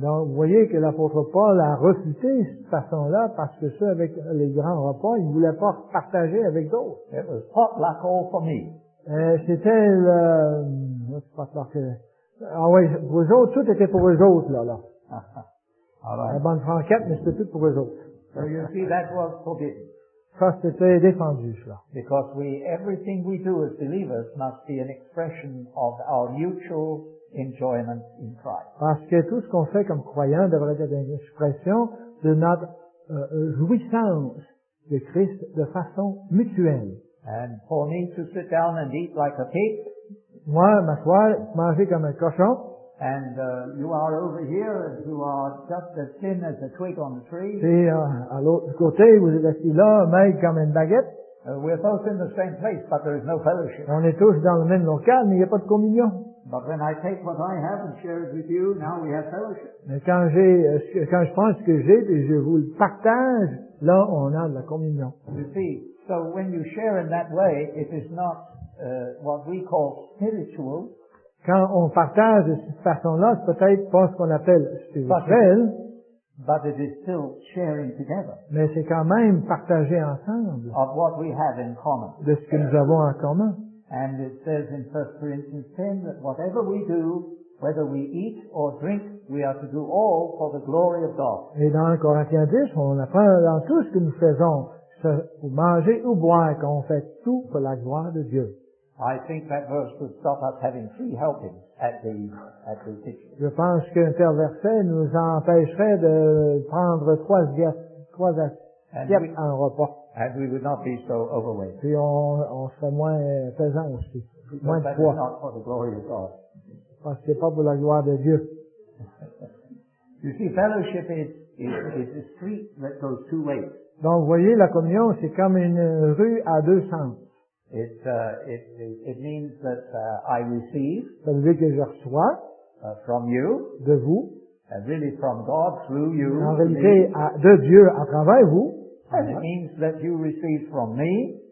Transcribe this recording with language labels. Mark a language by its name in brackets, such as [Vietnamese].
[French] Donc, vous voyez que l'apôtre Paul a refusé cette façon-là parce que ceux avec les grands repas, ils ne voulaient pas partager avec d'autres. [English] It was potluck all for me. [French] C'était le... Ah oui, vous autres, tout était pour vous autres, là. Alors, la bonne franquette, mais c'était tout pour vous autres. [English] So you see, that was forbidden. [French] Ça, c'était défendu, cela. [English] Because everything we do as believers must be an expression of our mutual enjoyment in Christ. [French] Parce que tout ce qu'on fait comme croyant devrait être une expression de notre jouissance de Christ de façon mutuelle. [English] And for me to sit down and eat like a pig. [French] Moi, m'asseoir, manger comme un cochon. [English] And you are over here and you are just as thin as a twig on the tree. [French] Et à l'autre côté, vous êtes assis là, maigre comme une baguette. [English] We're both in the same place, but there is no fellowship. [French] On est tous dans le même local, mais il n'y a pas de communion. [English] But when I take what I have and share it with you, now we have fellowship. [French] Mais quand je prends ce que j'ai et je vous le partage, là on a de la communion. [English] You see, so when you share in that way, it is not what we call spiritual. [French] Quand on partage de cette façon-là, c'est peut-être pas ce qu'on appelle spirituel. [English] But it is still sharing together. [French] Mais c'est quand même partager ensemble. [English] Of what we have in common. [French] De ce que nous avons en commun. [English] And it says in 1 Corinthians 10 that whatever we do, whether we eat or drink, we are to do all for the glory of God. [French] Et dans 1 Corinthiens 10, on apprend dans tout ce que nous faisons, ou manger ou boire, qu'on fait tout pour la gloire de Dieu. [English] I think that verse would stop us having free helping at the kitchen. [French] Je pense qu'un tel verset nous empêcherait de prendre trois assiettes en repas. [English] And we would not be so overweight. [French] Puis on serait moins pesant aussi, [English] because [French] moins de poids. [English] Not for the glory of God. [French] Parce que c'est pas pour la gloire de Dieu. [English] You see, fellowship is a street that goes two ways. [French] Donc vous voyez, la communion c'est comme une rue à deux sens. [English] It means that I receive. [French] Ça veut dire que je reçois. [English] From you. [French] De vous. [English] And really from God through you. [French] En réalité, de Dieu à travers vous. [English] And it means that you receive from me.